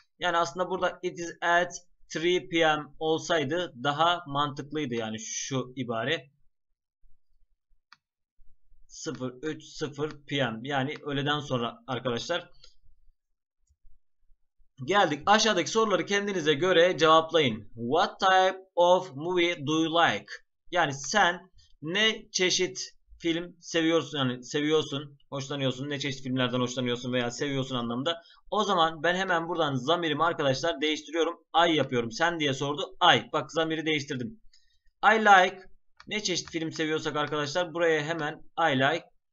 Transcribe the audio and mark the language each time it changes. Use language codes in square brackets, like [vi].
[tr] Yani aslında burada [en] it is at 3 PM [tr] olsaydı daha mantıklıydı yani şu ibare 03:00 PM yani öğleden sonra arkadaşlar geldik aşağıdaki soruları kendinize göre cevaplayın. [en] What type of movie do you like? [tr] Yani sen ne çeşit film seviyorsun yani seviyorsun hoşlanıyorsun ne çeşit filmlerden hoşlanıyorsun veya seviyorsun anlamda. O zaman ben hemen buradan zamirimi arkadaşlar değiştiriyorum. I yapıyorum. Sen diye sordu. I. Bak zamiri değiştirdim. I like. Ne çeşit film seviyorsak arkadaşlar buraya hemen I like